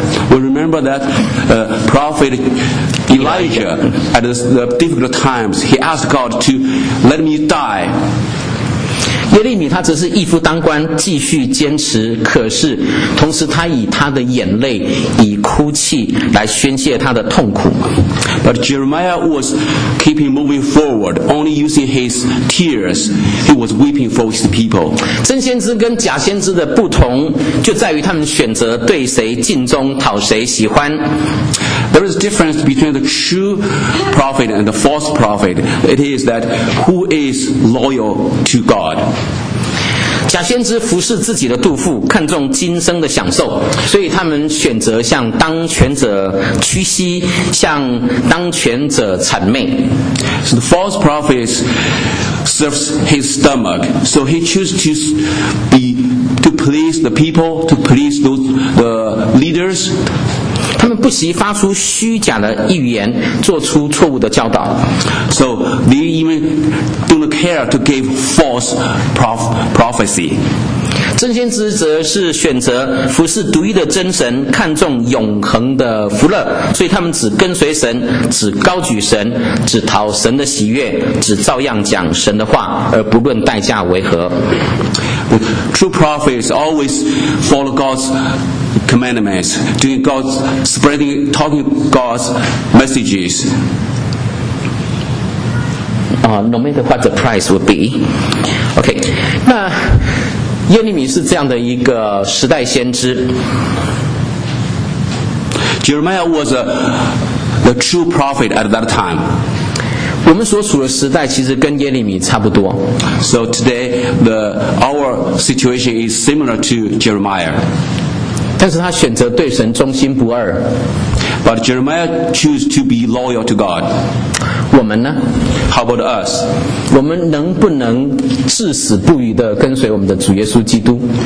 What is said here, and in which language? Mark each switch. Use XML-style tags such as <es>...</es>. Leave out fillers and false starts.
<en>We remember that prophet Elijah at the difficult times he asked God to let me die。</en> <zh>耶利米他只是一夫当关继续坚持，可是同时他以他的眼泪以哭泣来宣泄他的痛苦。</zh> <en>But Jeremiah was keeping moving forward, only using his tears. He was weeping for his people.</en> <zh>真先知跟假先知的不同就在于他们选择对谁尽忠，讨谁喜欢。</zh> <en>There is a difference between the true prophet and the false prophet. It is that who is loyal to God.</en> <zh>假先知服侍自己的肚腹，看重今生的享受，所以他们选择向当权者屈膝，向当权者谄媚。</zh> <en>So the false prophet serves his stomach, so he chooses to be to please the people, to please those, the leaders.</en> <zh>他们不惜发出虚假的预言，做出错误的教导。</zh> <en>So they even don't care to give false prophecy.</en> <zh>真先知则是选择服侍独一的真神，看重永恒的福乐，所以他们只跟随神，只高举神，只讨神的喜悦，只照样讲神的话，而不论代价为何。</zh> <en>The true prophets always follow God's commandments, doing God's spreading, talking God's messages. No matter what the price would be, okay,</en> <zh>那耶利米是这样的一个时代先知。</zh> <en>Jeremiah was the true prophet at that time.</en> <zh>我们所处的时代其实跟耶利米差不多。</zh> <en>So today, our situation is similar to Jeremiah.</en> <zh>但是他选择对神忠心不二。</zh> <en>But Jeremiah chose to be loyal to God.</en> <zh>我们呢</zh> <en>？How about us？</en> <zh>我们能不能至死不渝地跟随我们的主耶稣基督</zh>